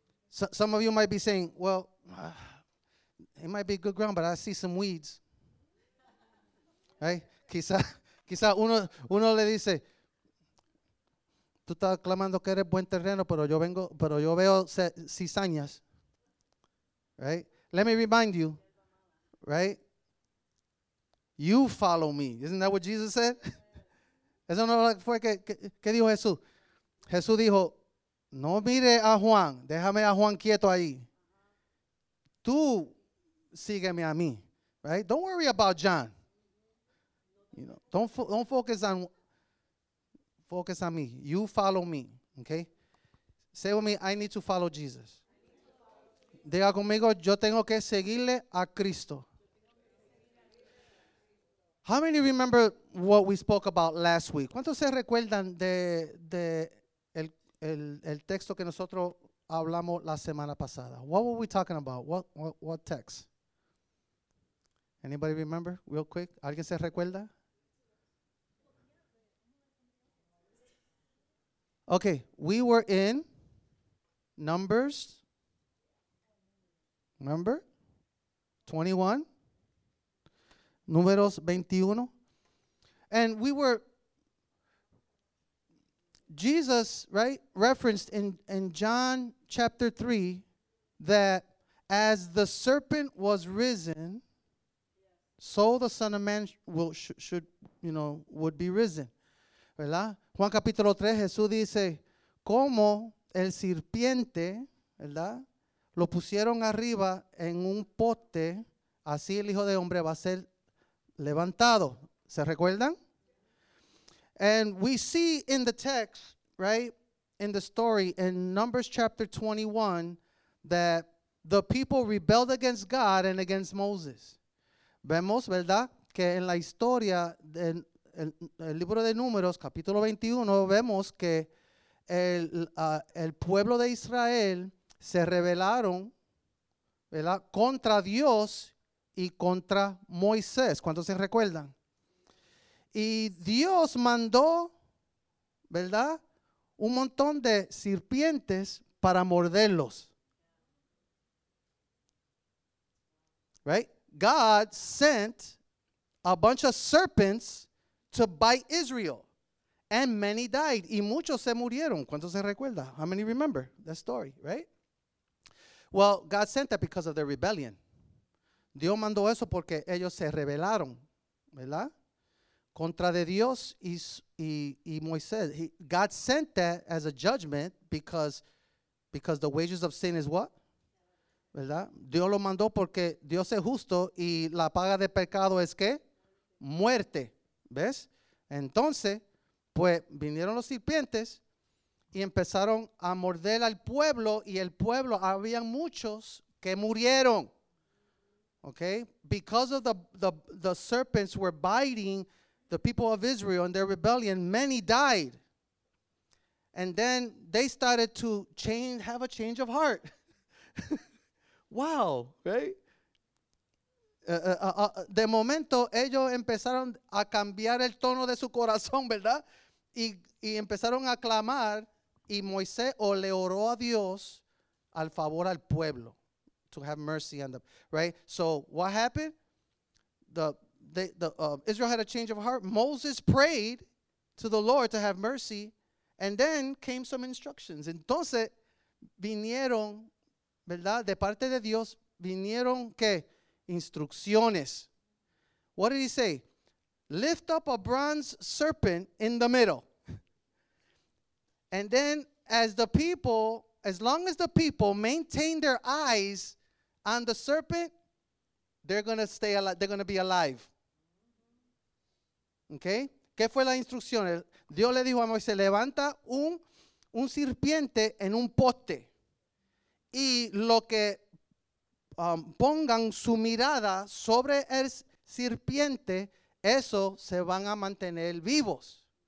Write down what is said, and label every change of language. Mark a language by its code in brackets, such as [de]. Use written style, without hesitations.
[en] Some of you might be saying, well, it might be good ground, but I see some weeds. Right? [es] Quizá uno le dice, tú estás clamando que eres buen terreno, pero yo veo cizañas. [en] Right? Let me remind you, right? You follow me. Isn't that what Jesus said? [es] Eso no fue que dijo Jesús. Jesús dijo, no mire a Juan, déjame a Juan quieto ahí. Tú sígueme a mí, [en] right? Don't worry about John. You know, don't focus on me. You follow me, okay? Say with me, I need to follow Jesus. [es] Diga conmigo, yo tengo que seguirle a Cristo. [en] How many remember what we spoke about last week? [es] ¿Cuántos se recuerdan de el texto que nosotros hablamos la semana pasada? [en] What were we talking about? What text? Anybody remember real quick? [es] ¿Alguien se recuerda? [en] Okay, we were in Numbers. Remember? 21. Números 21. And we were, Jesus, right, referenced in John chapter 3 that as the serpent was risen, so the Son of Man would be risen. [es] ¿Verdad? Juan capítulo 3, Jesús dice, como el serpiente, ¿verdad? Lo pusieron arriba en un pote, así el Hijo de Hombre va a ser levantado. ¿Se recuerdan? [en] And we see in the text, right, in the story, in Numbers chapter 21, that the people rebelled against God and against Moses. [es] Vemos, ¿verdad?, que en la historia, en el libro de Números, capítulo 21, vemos que el pueblo de Israel se rebelaron, ¿verdad?, contra Dios y contra Moisés. ¿Cuántos se recuerdan? Y Dios mandó, ¿verdad?, un montón de serpientes para morderlos. [en] Right? God sent a bunch of serpents to bite Israel. And many died. [es] Y muchos se murieron. ¿Cuántos se recuerda? [en] How many remember that story, right? Well, God sent that because of their rebellion. [es] Dios mandó eso porque ellos se rebelaron, ¿verdad? Contra de Dios y Moisés. [en] God sent that as a judgment because the wages of sin is what? [es] ¿Verdad? Dios lo mandó porque Dios es justo y la paga de pecado es ¿qué? Muerte. ¿Ves? Entonces, pues vinieron los serpientes y empezaron a morder al pueblo y el pueblo, había muchos que murieron. [en] Okay, because of the serpents were biting the people of Israel in their rebellion, many died. And then they started to have a change of heart. Wow, right? [es] De momento ellos empezaron a cambiar el tono de su corazón, ¿verdad? Y empezaron a clamar y Moisés le oró a Dios al favor al pueblo. [en] To have mercy on them, right? So what happened? Israel had a change of heart. Moses prayed to the Lord to have mercy, and then came some instructions. [es] Entonces vinieron, ¿verdad? De parte de Dios vinieron ¿qué? Instrucciones. [en] What did he say? Lift up a bronze serpent in the middle, and then as long as the people maintain their eyes on the serpent, they're going to stay alive. They're going to be alive. [es] Okay? ¿Qué fue la instrucción? Dios le dijo a Moisés, levanta un serpiente en un poste. Y lo que pongan su mirada sobre el serpiente, eso se van a mantener vivos.